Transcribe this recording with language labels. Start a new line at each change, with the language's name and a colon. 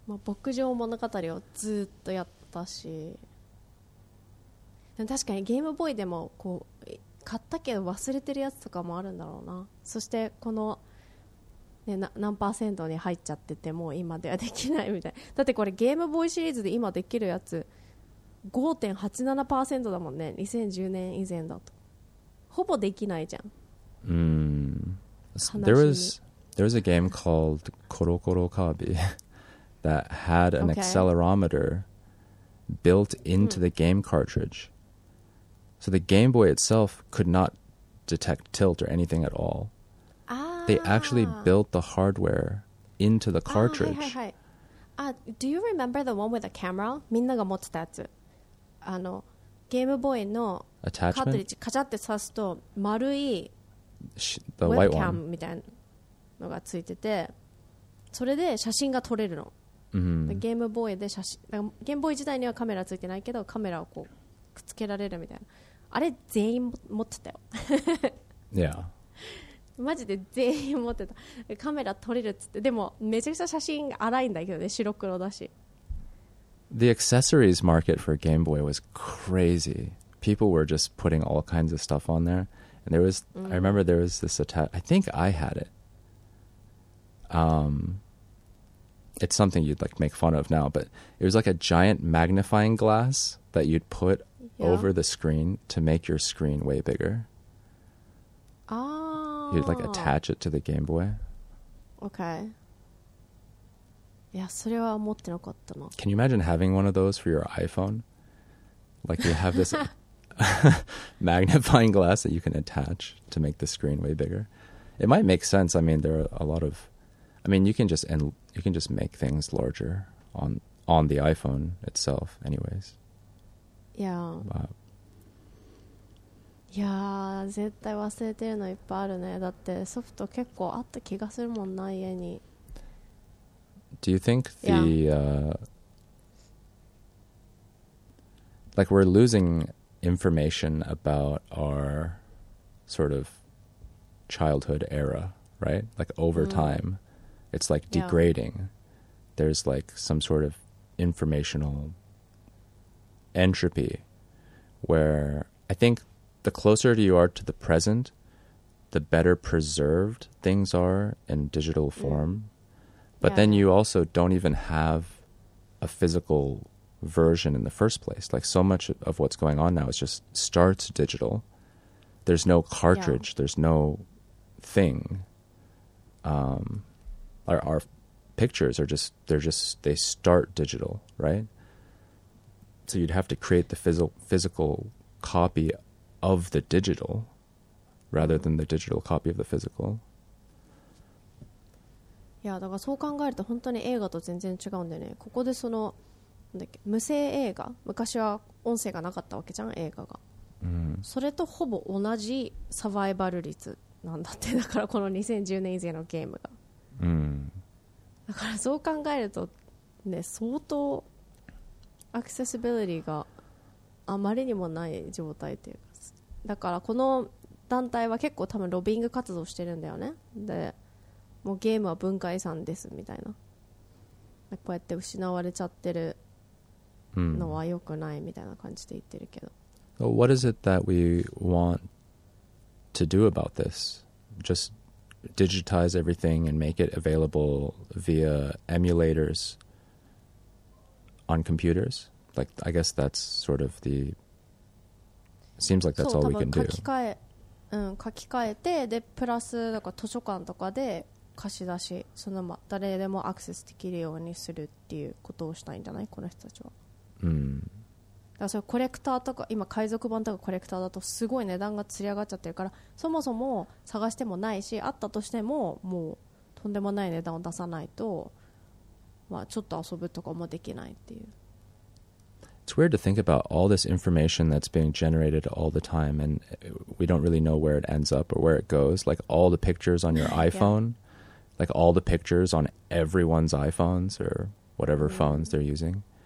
Japanese: まあ、牧場物語をずっとやったし、でも確かにゲームボーイでもこう買ったけど忘れてるやつとかもあるんだろうな。そしてこの、ね、何パーセントに入っちゃっててもう今ではできないみたい。だってこれゲームボーイシリーズで今できるやつ5.87% だもんね、2010年以前だと。ほぼできないじゃん。
English: There was a game called Koro Koro Kirby that had an accelerometer built into the game cartridge. So the Game Boy itself could not detect tilt or anything at all. They actually built the hardware into the cartridge. Do you remember the one with the camera?
Japanese: みんなが持ってたやつ。あのゲームボーイのカートリッジカチャって刺すと丸いウェブキャンみたいなのがついてて、それで写真が撮れるの。 mm-hmm. ゲームボーイで写真、ゲームボーイ自体にはカメラついてないけど、カメラをこうくっつけられるみたいな。あれ全員持ってたよ。
English: Yeah.
Japanese: マジで全員持ってた。カメラ撮れるっつって。でもめちゃくちゃ写真荒いんだけどね、白黒だし。
English: The accessories market for Game Boy was crazy. People were just putting all kinds of stuff on there. And there was, I remember there was this attachment. I think I had it. It's something you'd like make fun of now, but it was like a giant magnifying glass that you'd put over the screen to make your screen way bigger. You'd like attach it to the Game Boy. Okay.
Japanese: いやそれは持ってなかったな。
English: Can you imagine having one of those for your iPhone? Like you have this magnifying glass that you can attach to make the screen way bigger. It might make sense. I mean, there are a lot of, I mean, you can just make things larger on the iPhone itself anyways. Yeah.
Japanese: Wow. いや絶対忘れてるのいっぱいあるね。だってソフト結構あった気がするもんな家に。
English: Do you think the, like we're losing information about our sort of childhood era, right? Like over time, it's like degrading. There's like some sort of informational entropy where I think the closer you are to the present, the better preserved things are in digital form. But then you also don't even have a physical version in the first place. Like so much of what's going on now is just starts digital. There's no cartridge. Yeah. There's no thing. Our pictures are just, they start digital, right? So you'd have to create the physical copy of the digital rather than the digital copy of the physical.
Japanese: いやだからそう考えると本当に映画と全然違うんだよね。ここでそのなんだっけ無声映画、昔は音声がなかったわけじゃん映画が、それとほぼ同じサバイバル率なんだって。だからこの2010年以前のゲームが、だからそう考えるとね、相当アクセシビリティがあまりにもない状態というか。だからこの団体は結構多分ロビング活動してるんだよね。でもうゲームは文化遺産ですみたいな、こうやって失われちゃってるのは良くないみたいな感じで言ってるけど、
English: So、what is it that we want to do about this? Just digitize everything and make it available via emulators on computers? Like, I guess that's sort of the seems like that's all we can do.
Japanese: 書き換え、書き換えて、でプラスなんか図書館とかで貸し出し、そのまま誰でもアクセスできるようにするっていうことをしたいんじゃない、この人たちは。だからそれコレクターとか、今海賊版とかコレクターだとすごい値段がつり上がっちゃってるから、そもそも探してもないし、あったとしてももうとんでもない値段を出さないと、まあ、ちょっと遊ぶとかもできないっていう。
English: It's weird to think about all this information that's being generated all the time and we don't really know where it ends up or where it goes. Like all the pictures on your iPhone. 、yeah. Like all the pictures on everyone's iPhones or whatever phones they're using.